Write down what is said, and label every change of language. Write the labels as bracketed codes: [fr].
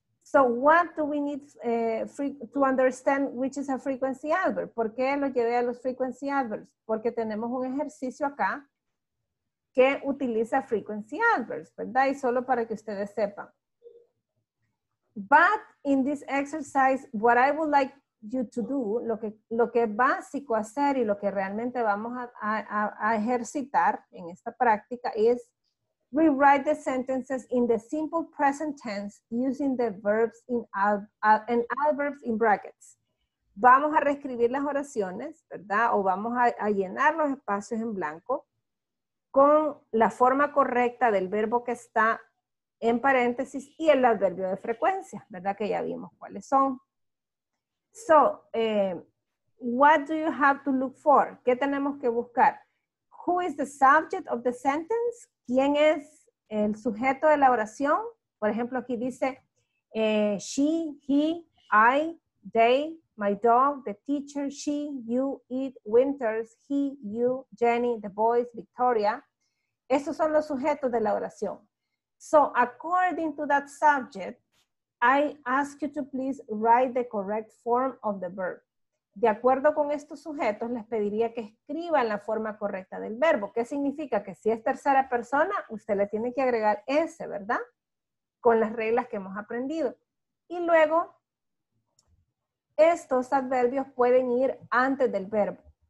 [en] So what do we need to understand which is a frequency adverb? [es] ¿Por qué lo llevé a los frequency adverbs? Porque tenemos un ejercicio acá que utiliza frequency adverbs, ¿verdad? Y solo para que ustedes sepan. [en] But in this exercise, what I would like you to do, [es] lo que es básico hacer y lo que realmente vamos a ejercitar en esta práctica es [en] rewrite the sentences in the simple present tense using the verbs in adverbs in brackets. [es] Vamos a reescribir las oraciones, ¿verdad? O vamos a llenar los espacios en blanco con la forma correcta del verbo que está en paréntesis y el adverbio de frecuencia, ¿verdad? Que ya vimos cuáles son. [en] So, what do you have to look for? [es] ¿Qué tenemos que buscar? [en] Who is the subject of the sentence? [es] ¿Quién es el sujeto de la oración? Por ejemplo, aquí dice, [en] she, he, I, they, my dog, the teacher, she, you, it, Winters, he, you, Jenny, the boys, Victoria. [es] Esos son los sujetos de la oración. [en] So, according to that subject, I ask you to please write the correct form of the verb. [es] De acuerdo con estos sujetos, les pediría que escriban la forma correcta del verbo. ¿Qué significa? Que si es tercera persona, usted le tiene que agregar S, ¿verdad? Con las reglas que hemos aprendido. Y luego, estos adverbios pueden ir antes del verbo.